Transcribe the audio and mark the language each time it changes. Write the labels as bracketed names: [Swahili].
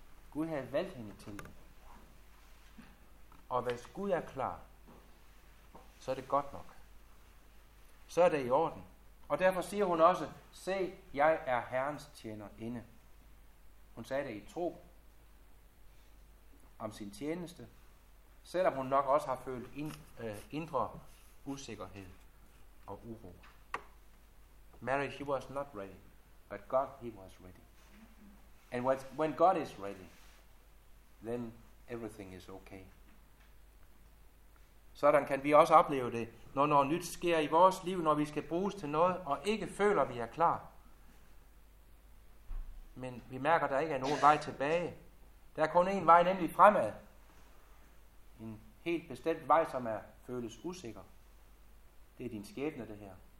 [Danish] Gud havde valgt hende til det. Og hvis Gud er klar, så er det godt nok. Så er det i orden. Og derfor siger hun også, se, jeg er Herrens tjenerinde. Hun sagde det i tro om sin tjeneste, selvom hun nok også har følt indre usikkerhed. og uro. [English] Mary, she was not ready, but God, he was ready. And when God is ready, then everything is okay. [Danish] Sådan kan vi også opleve det, når noget nyt sker i vores liv, når vi skal bruges til noget, og ikke føler, vi er klar. Men vi mærker, der ikke er nogen vej tilbage. Der er kun en vej, nemlig fremad. En helt bestemt vej, som er føles usikker. Det er din skæbne, det her.